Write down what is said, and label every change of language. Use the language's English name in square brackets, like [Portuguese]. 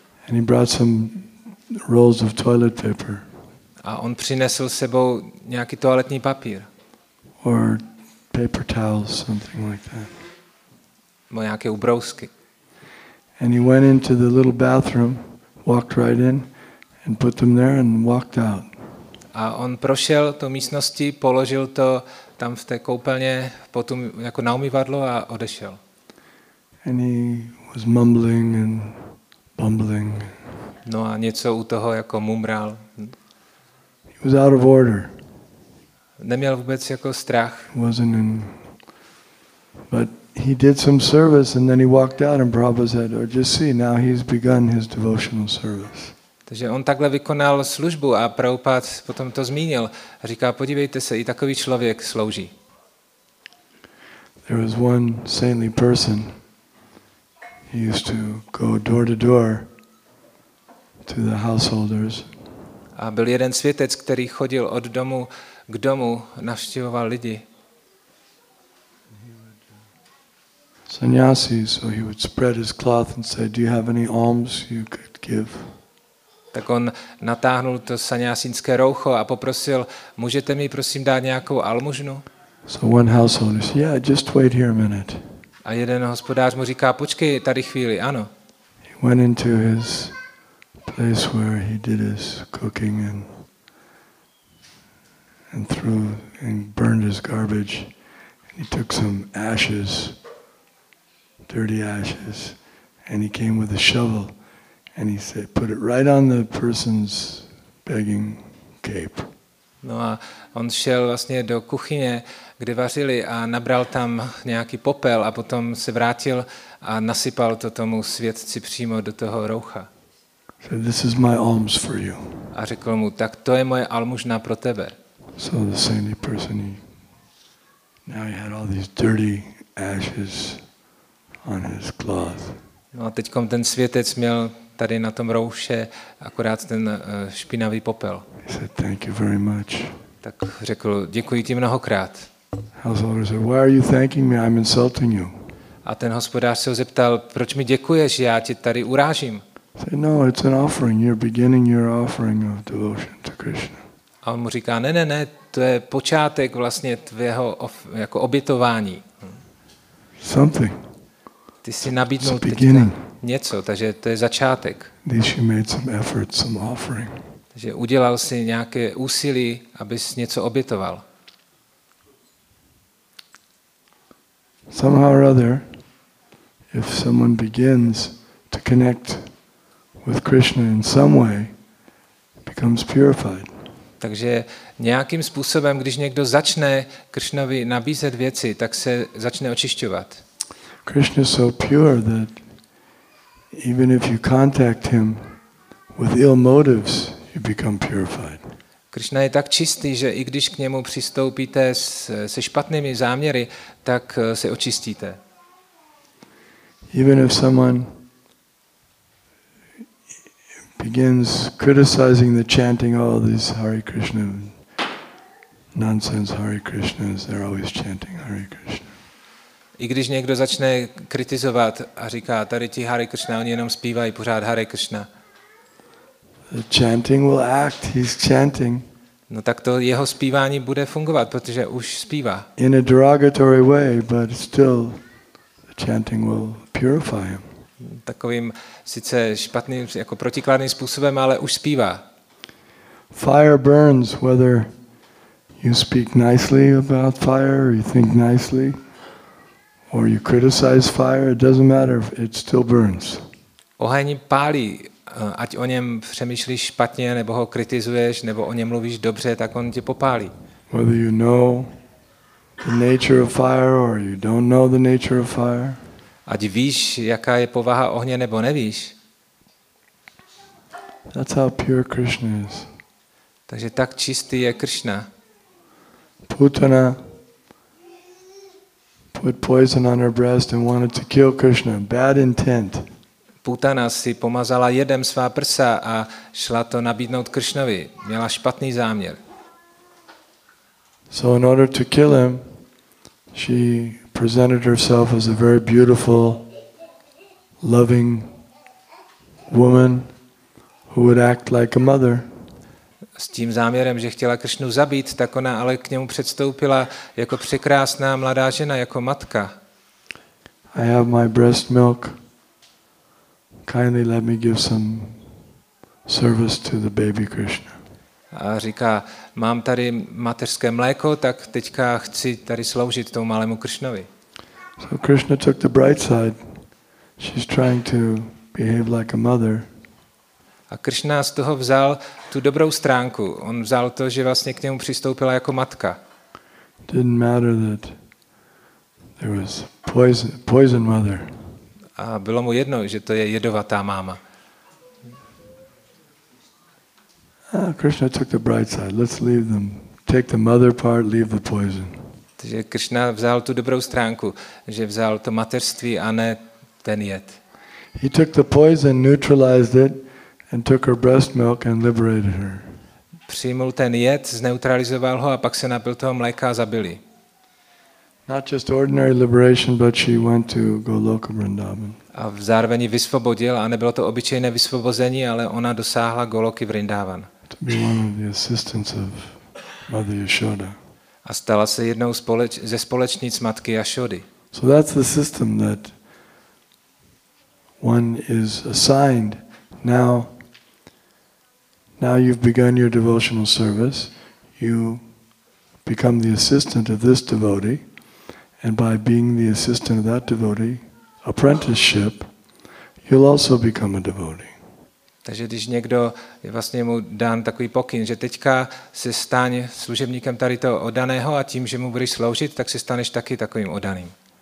[English] And he brought some rolls of toilet paper. [Czech] A on přinesl sebou nějaký toaletní papír. [English] Or paper towels, something like that. [Czech] Nebo nějaké ubrousky. [English] And he went into the little bathroom, walked right in. And put them there and walked out. [Czech] A on prošel tu místnosti, položil to tam v té koupelně, potom jako na umyvadlo a odešel. [English] And he was mumbling and bumbling. [Czech] No a něco u toho jako mumral. [English] He was out of order. [Czech] Neměl vůbec jako strach. [English] But he did some service and then he walked out and Prabhupada said, "Oh, just see, now he's begun his devotional service." [Czech] Takže on takhle vykonal službu a Prabhupada potom to zmínil a říká, podívejte se, i takový člověk slouží. [English] There was one saintly person. He used to go door to door to the householders. [Czech] A byl jeden světec, který chodil od domu k domu, navštěvoval lidi. [English] Sannyasi, so he would spread his cloth and say, "Do you have any alms you could give?" [Czech] Tak on natáhnul to sanjásínské roucho a poprosil, můžete mi prosím dát nějakou almužnu? [English] So one householder says, yeah, just wait here a minute. [Czech] A jeden hospodář mu říká, počkej tady chvíli, ano. [English] He went into his place where he did his cooking and threw and burned his garbage. He took some ashes, dirty ashes, and he came with a shovel and he said, put it right on the person's begging cape. [Czech] No a on šel vlastně do kuchyně, kde vařili a nabral tam nějaký popel a potom se vrátil a nasypal to tomu svědci přímo do toho roucha. [English] So this is my alms for you. [Czech] A řekl mu, tak to je moje almužna pro tebe. [English] So the same person, now he had all these dirty ashes on his cloth. [Czech] No a teďkom ten světec měl tady na tom rouše akorát ten špinavý popel. [English] He said, thank you very much. [Czech] Tak řekl, děkuji ti mnohokrát. [English] Householder said, why are you thanking me? I'm insulting you. [Czech] A ten hospodář se ho zeptal, proč mi děkuješ, já tě tady urážím. [English] He said, no, it's an offering. You're beginning your offering of devotion to Krishna. [Czech] A on mu říká, ne, ne, ne, to je počátek vlastně tvého jako obětování. [English] Something. [Czech] Ty si nabídnul teďka něco, takže to je začátek. Takže udělal si nějaké úsilí, abys něco obětoval. [English] Somehow or other, if someone begins to connect with Krishna in some way, becomes purified. [Czech] Takže nějakým způsobem, když někdo začne Krishnovi nabízet věci, tak se začne očišťovat. [English] Krishna is so pure that even if you contact him with ill motives, you become purified. [Czech] Krishna je tak čistý, že i když k němu přistoupíte se špatnými záměry, tak se očistíte. [English] Even if someone begins criticizing the chanting, all these Hare Krishna nonsense Hare Krishnas, they're always chanting Hare Krishna. [Czech] I když někdo začne kritizovat a říká, tady ti Hare Krishna, oni jenom zpívají pořád Hare Krishna. [English] The chanting will act, he's chanting. [Czech] No tak to jeho zpívání bude fungovat, protože už zpívá. [English] In a derogatory way, but still the chanting will purify him. [Czech] Takovým sice špatným, jako protikladným způsobem, ale už zpívá. [English] Fire burns, whether you speak nicely about fire or you think nicely. Or you criticize fire, it doesn't matter, it still burns. [Czech] Oheň pálí, ať o něm přemýšlíš špatně, nebo ho kritizuješ, nebo o něm mluvíš dobře, tak on tě popálí. [English] Whether you know the nature of fire or you don't know the nature of fire. [Czech] Ať víš, jaká je povaha ohně, nebo nevíš. [English] That's how pure Krishna is. [Czech] Takže tak čistý je Krishna. [English] Putana put poison on her breast and wanted to kill Krishna. Bad intent. [Czech] Putana si pomazala jedem svá prsa a šla to nabídnout Krishnovi. Měla špatný záměr. [English] So in order to kill him, she presented herself as a very beautiful, loving woman who would act like a mother. [Czech] S tím záměrem, že chtěla Krishnu zabít, tak ona ale k němu předstoupila jako překrásná mladá žena, jako matka. [English] I have my breast milk. Kindly let me give some service to the baby Krishna. [Czech] A říká, mám tady mateřské mléko, tak teďka chci tady sloužit tomu malému Krishnovi. [English] So Krishna took the bright side. She's trying to behave like a mother. [Czech] A Krishna z toho vzal tu dobrou stránku. On vzal to, že vlastně k němu přistoupila jako matka. [English] Didn't matter that there was poison mother. [Czech] A bylo mu jedno, že to je jedovatá máma. [English] Krishna took the bright side. Let's leave them. Take the mother part, leave the poison. [Czech] Takže Krishna vzal tu dobrou stránku, že vzal to mateřství a ne ten jed. [English] He took the poison, neutralized it. And took her breast milk and liberated her. [Czech] Přijmul ten jed, zneutralizoval ho a pak se napil toho mléka a zabili. [English] Not just ordinary liberation, but she went to Goloka Vrindavan. [Czech] A zároveň vysvobodil, a nebylo to obyčejné vysvobození, ale ona dosáhla Goloky Vrindavan. [English] To be one of the assistants of Mother Yashoda. [Czech] A stala se jednou ze společnic matky Yashody. [English] So that's the system that one is assigned. Now you've begun your devotional service, you become the assistant of this devotee, and by being the assistant of that devotee, apprenticeship, you'll also become a devotee. [Czech] Takže když někdo je vlastně mu dán takový pokyn, že teďka se staň služebníkem tady toho oddaného a tím, že mu budeš sloužit, tak se staneš taky takovým oddaným.